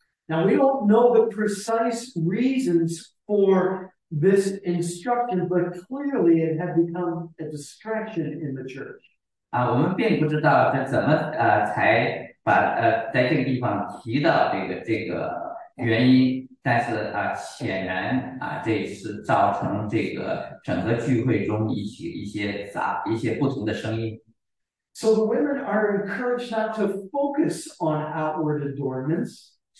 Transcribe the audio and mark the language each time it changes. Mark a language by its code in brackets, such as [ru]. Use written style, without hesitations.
[en] Now, we don't know the precise reasons for this instruction, but clearly it had become a distraction in the church. [zh] 我们并不知道在怎么才把在这个地方提到这个原因，但是显然这是造成这个整个聚会中一些不同的声音。 [en] So the women are encouraged not to focus on outward adornments.